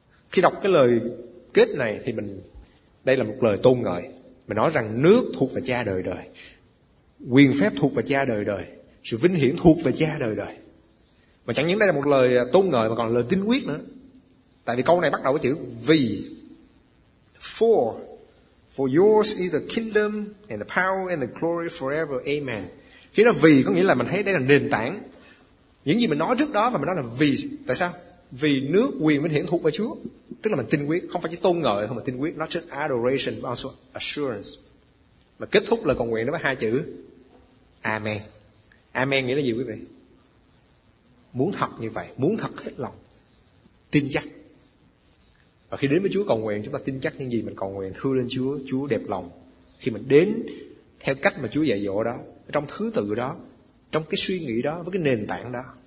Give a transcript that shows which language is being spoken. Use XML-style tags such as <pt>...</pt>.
<vi>Khi đọc cái lời kết này thì mình, đây là một lời tôn ngợi. Mình nói rằng nước thuộc về cha đời đời, quyền phép thuộc về cha đời đời, sự vinh hiển thuộc về cha đời đời. Mà chẳng những đây là một lời tôn ngợi mà còn là lời tín quyết nữa. Tại vì câu này bắt đầu với chữ vì, for,</vi> <en>For yours is the kingdom and the power and the glory forever. Amen.</en> <vi>Chứ nó vì có nghĩa là mình thấy đây là nền tảng. Những gì mình nói trước đó và mình nói là vì. Tại sao? Vì nước quyền vinh hiển thuộc về Chúa. Tức là mình tin quyết. Không phải chỉ tôn ngợi thôi mà tin quyết.</vi> <en>Not just adoration but also assurance.</en> <vi>Mà kết thúc lời cầu nguyện đó với hai chữ. Amen. Amen nghĩa là gì quý vị? Muốn thật như vậy. Muốn thật hết lòng. Tin chắc. Và khi đến với Chúa cầu nguyện, chúng ta tin chắc những gì mình cầu nguyện, thưa lên Chúa, Chúa đẹp lòng. Khi mình đến theo cách mà Chúa dạy dỗ đó, trong thứ tự đó, trong cái suy nghĩ đó, với cái nền tảng đó.</vi>